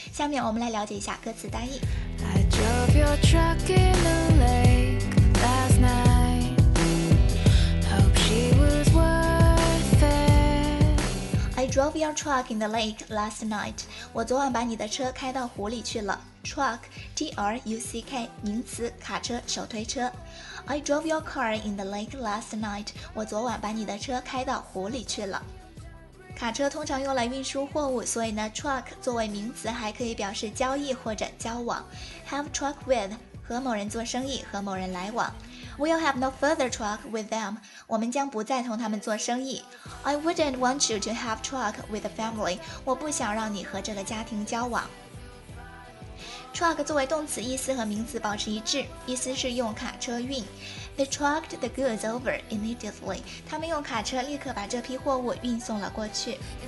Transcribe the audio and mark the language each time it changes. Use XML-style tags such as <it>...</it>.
<zh>下面我们来了解一下歌词大意。</zh> <en>I drove your truck in the lake last night， hope she was worth it。 I drove drove your truck in the lake last night.</en> <zh>我昨晚把你的车开到湖里去了。 Truck, T-R-U-C-K, 名词，卡车，手推车。</zh> <en>I drove your car in the lake last night.</en> <zh>我昨晚把你的车开到湖里去了。卡车通常用来运输货物，所以呢 truck 作为名词还可以表示交易或者交往。 Have truck with, 和某人做生意，和某人来往。</zh> <en>We'll have no further truck with them.</en> <zh>我们将不再同他们做生意。</zh> <en>I wouldn't want you to have truck with the family.</en> <zh>我不想让你和这个家庭交往。 Truck 作为动词意思和名词保持一致，意思是用卡车运。</zh> <en>They trucked the goods over immediately.</en> <zh>他们用卡车立刻把这批货物运送了过去。</zh>